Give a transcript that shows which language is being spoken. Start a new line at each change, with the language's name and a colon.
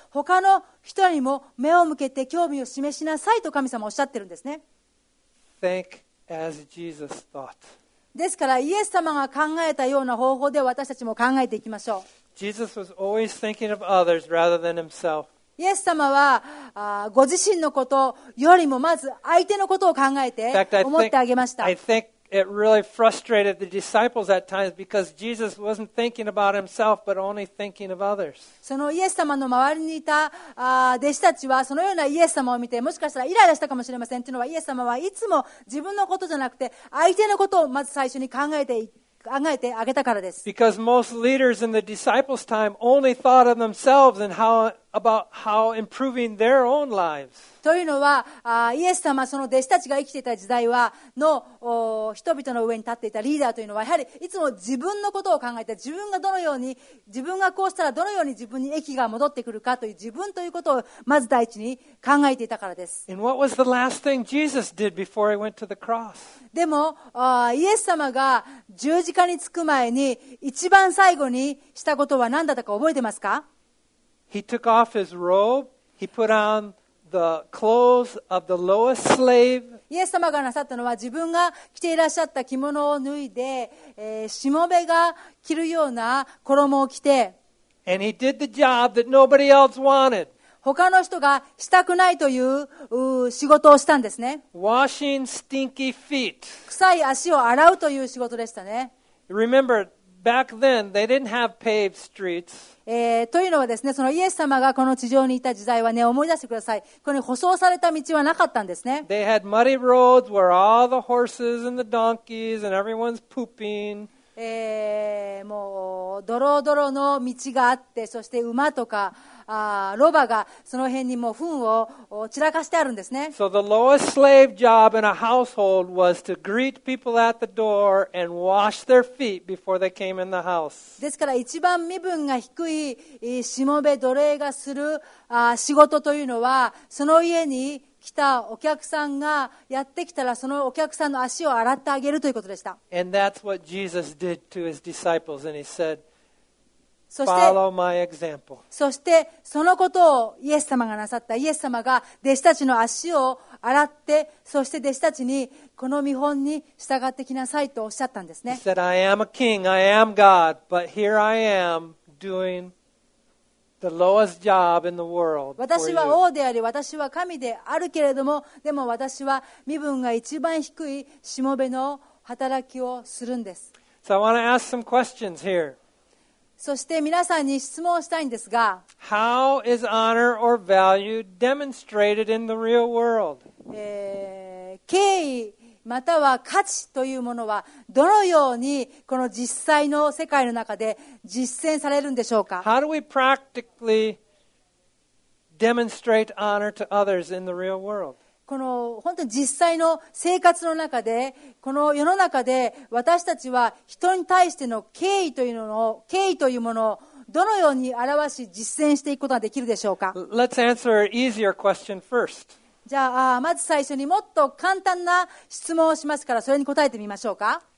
Japanese: 他の人にも目を向けて興味を示しなさいと神様はおっしゃっているんですね。
English: Think as Jesus thought.
Japanese: ですからイエス様が考えたような方法で私たちも考えていきましょう。
English: Jesus was always thinking of others rather than himself.
Japanese: イエス様はご自身のことよりもまず相手のことを考えて思ってあげました。
English: I think it really frustrated the disciples at times because Jesus wasn't thinking about himself but only thinking of others.
Japanese: そのイエス様の周りにいた弟子たちはそのようなイエス様を見てもしかしたらイライラしたかもしれません。というのはイエス様はいつも自分のことじゃなくて相手のことをまず最初に考えてあげたからです。
English: Because most leaders in the disciples' time only thought of themselves and about how improving their own lives.
Japanese: というのは、イエス様その弟子たちが生きていた時代はの人々の上に立っていたリーダーというのはやはりいつも自分のことを考えて自分がどのように自分がこうしたらどのように自分に益が戻ってくるかという自分ということをまず第一に考えていたからです。
English: And what was the last thing Jesus did before he went to the cross?
Japanese: でも、イエス様が十字架につく前に一番最後にしたことは何だったか覚えてますか？
English: He took off his robe. He put on the clothes of the lowest slave.
Japanese: イエス様がなさったのは自分が着ていらっしゃった着物を脱いで、しもべが着るような衣を着て。
English: And he did the job that nobody else wanted.
Japanese: 他の人がしたくないという仕事をしたんですね。
English: Washing stinky feet.
Japanese: 臭い足を洗うという仕事でしたね。
English: Remember,Back then, they didn't have paved streets.
Japanese: というのはですね、そのイエス様がこの地上にいた時代はね、思い出してください。この舗装された道はなかったんですね。
English: They had muddy roads where all the horses and the donkeys and everyone's pooping.
Japanese: もうドロドロの道があって、そして馬とかロバがその辺にもう糞を散らかしてあるんですね。
English: So the lowest slave job in a household was to greet people at the door and wash their feet before they came in the house.
Japanese: ですから一番身分が低いしもべ奴隷がする仕事というのはその家に来たお客さんがやってきたらそのお客さんの足を洗ってあげるということでした。
English: And that's what Jesus did to his disciples and he said,Follow my example.
Japanese: そしてそのことをイエス様がなさった。イエス様が弟子たちの足を洗ってそして弟子たちにこの見本に従ってきなさいとおっしゃったんですね。
English: He said, I am a king, I am God, but here I am doing the lowest job in the world for you.
Japanese: 私は王であり私は神であるけれどもでも私は身分が一番低いしもべの働きをするんです。
English: So I want to ask some questions here.
Japanese: そして皆さんに質問をしたいんですが、
English: How is honor or value demonstrated in the real world?
Japanese: 敬意または価値というものはどのようにこの実際の世界の中で実践されるんでしょうか。
English: How do we practically demonstrate honor to others in the real world?
Japanese: この本当に実際の生活の中でこの世の中で私たちは人に対しての敬意というものを敬意というものをどのように表し実践していくことができるでしょうか。
English: Let's answer an easier question first.
Japanese: じゃあまず最初にもっと簡単な質問をしますからそれに答えてみましょうか。